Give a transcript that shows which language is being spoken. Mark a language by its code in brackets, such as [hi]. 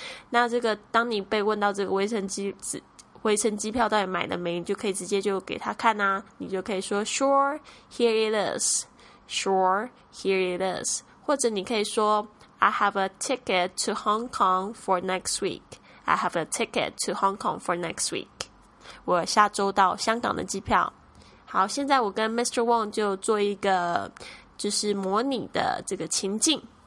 [zh] 那这个当你被问到这个回程机票到底买了没，你就可以直接就给他看啊，你就可以说 [en] Sure, here it is. Sure, here it is. [zh] 或者你可以说 [en] I have a ticket to Hong Kong for next week. I have a ticket to Hong Kong for next week. [zh] 我下周到香港的机票。好，现在我跟 Mr. Wong 就做一个就是模拟的这个情境。